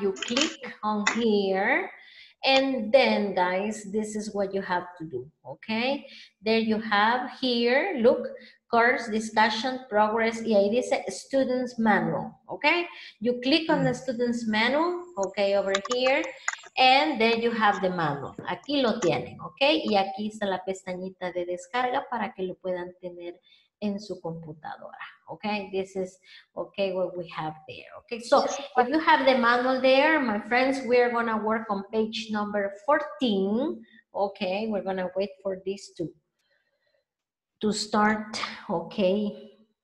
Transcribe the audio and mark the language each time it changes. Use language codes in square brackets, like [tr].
[en] You click on here, and then, guys, this is what you have to do, okay? There you have here, look, course, discussion, progress, [es] y ahí dice [en] Student's Manual, okay? You click on the Student's Manual, okay, over here, and then you have the manual. [es] Aquí lo tienen, okay? Y aquí está la pestañita de descarga para que lo puedan tener en su computadora, okay? [en] This is, okay, what we have there, okay? So, if you have the manual there, my friends, we are gonna work on page number 14, okay? We're gonna wait for this to start, okay?